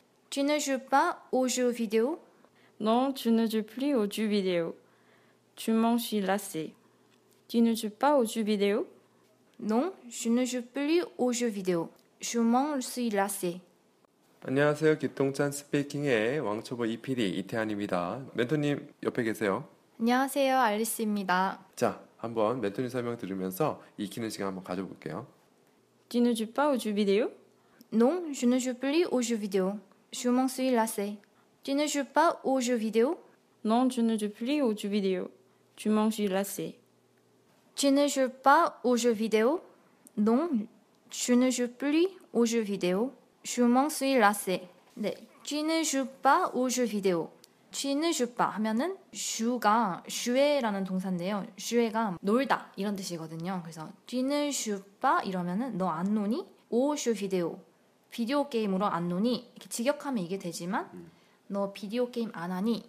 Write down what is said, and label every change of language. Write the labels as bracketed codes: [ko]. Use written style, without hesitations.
[fr] Tu ne joues pas aux jeux vidéo? Non, tu ne joues plus aux jeux vidéo. Tu m'en suis lassée. Tu ne joues pas aux jeux vidéo? Non, je ne joue plus aux jeux vidéo. Je m'en suis lassée. [ko] 안녕하세요. 기똥찬 스피킹의 왕초보 EPD 이태한입니다. 멘토님 옆에 계세요. 안녕하세요. 알리스입니다. 자, 한번 멘토님 설명 들으면서 익히는 시간 한번 가져볼게요. [fr] Tu ne joues pas aux jeux vidéo? Non, je ne joue plus aux jeux vidéo. Je m'en suis lassé. Tu ne joues pas aux jeux vidéo? Non, je ne joue plus aux jeux vidéo. Je m'en suis lassé. Tu ne joues pas aux jeux vidéo? Non, je ne joue plus aux jeux vidéo. Je m'en suis lassé. 네. Tu ne joues pas aux jeux vidéo. [ko] 취는슈파 하면은 슈가 슈에라는 동사인데요. 슈에가 놀다 이런 뜻이거든요. 그래서 취는슈파 이러면은 너 안 노니? 오슈비데오 비디오 게임으로 안 노니? 이렇게 직역하면 이게 되지만 너 비디오 게임 안 하니?